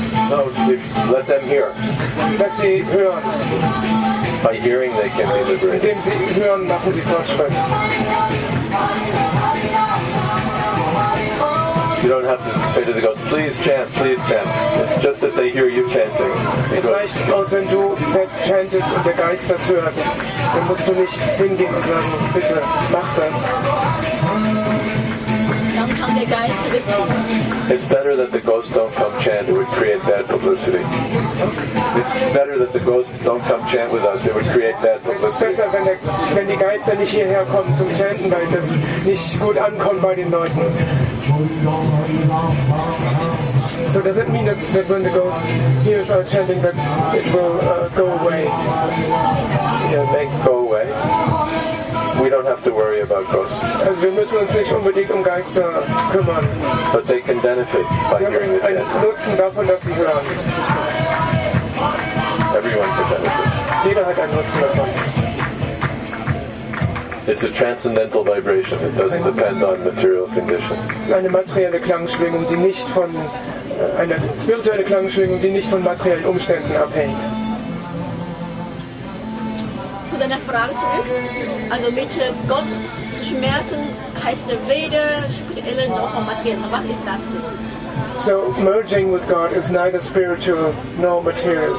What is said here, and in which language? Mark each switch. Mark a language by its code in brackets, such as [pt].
[en] No, let them hear. [de] Let sie hören. [en] By hearing they can be liberated. [de] Indem sie hören, machen sie Fortschritt. [en] You don't have to say to the ghost, please chant, please chant. It's just that they hear you chanting. [de] Es reicht aus, wenn du selbst chantest und der Geist das hört. Dann musst du nicht hingehen und sagen, bitte, mach das. [en] It's better that the ghosts don't come chant. It would create bad publicity. It's better that the ghosts don't come chant with us. It would create bad publicity. [de] Es ist besser, wenn die Geister nicht hierher kommen zum Chanten, weil das nicht gut ankommt bei den Leuten. [en] So does it mean that when the ghost hears our chanting, that it will go away? Yeah, make go away. We don't have to worry about ghosts. [de] Also wir müssen uns nicht unbedingt um Geister kümmern. [en] But they can benefit by hearing the chant. [de] Einen Nutzen davon, dass sie hören. [en] Everyone can benefit. [de] Jeder hat einen Nutzen davon. [en] It's a transcendental vibration. It doesn't depend on material conditions. [de] Es ist eine materielle Klangschwingung, die nicht von einer spirituellen Klangschwingung, die nicht von materiellen Umständen abhängt. Zu deiner Frage zurück. Also mit Gott zu schmerzen heißt weder spirituell noch materiell. Was ist das denn? [en] So merging with God is neither spiritual nor material.